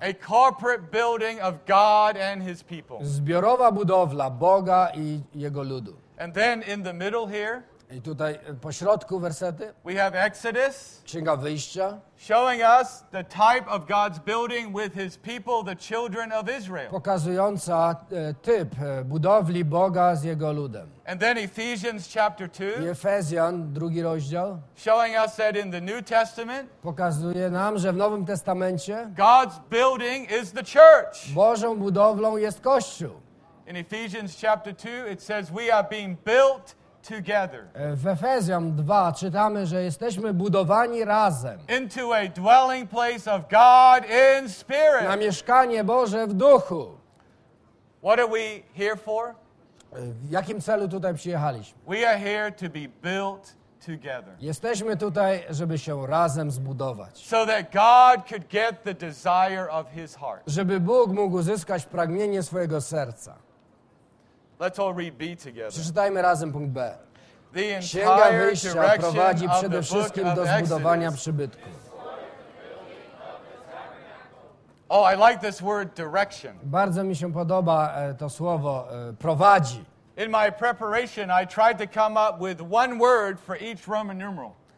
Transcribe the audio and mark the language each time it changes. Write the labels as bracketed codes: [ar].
[en] A corporate building of God and His people. [pl] Zbiorowa budowla Boga i Jego ludu. [en] And then in the middle here, [pl] i tutaj po środku wersety, [en] we have Exodus, [pl] Księga Wyjścia, [en] showing us the type of God's building with His people, the children of Israel. [pl] Pokazująca typ budowli Boga z Jego ludem. [en] And then Ephesians chapter 2. [pl] I Efezjan, drugi rozdział. [en] Showing us that in the New Testament. [pl] Pokazuje nam, że w Nowym Testamencie [en] God's building is the church. [pl] Bożą budowlą jest Kościół. [en] In Ephesians chapter 2 it says we are being built together. [pl] W Efezjan 2 czytamy, że jesteśmy budowani razem. [en] Into a dwelling place of God in spirit. [pl] Na mieszkanie Boże w duchu. [en] What are we here for? [pl] W jakim celu tutaj przyjechaliśmy? [en] We are here to be built together. [pl] Jesteśmy tutaj, żeby się razem zbudować. [en] So that God could get the desire of His heart. [pl] Żeby Bóg mógł uzyskać pragnienie swojego serca. [en] Let's all read B together. [pl] Przeczytajmy razem punkt B. The Księga Wyjścia prowadzi przede wszystkim do zbudowania przybytku. [en] Oh, I like this word direction. [pl] Bardzo mi się podoba to słowo prowadzi. [en] In my preparation, I tried to come up with one word for each Roman numeral.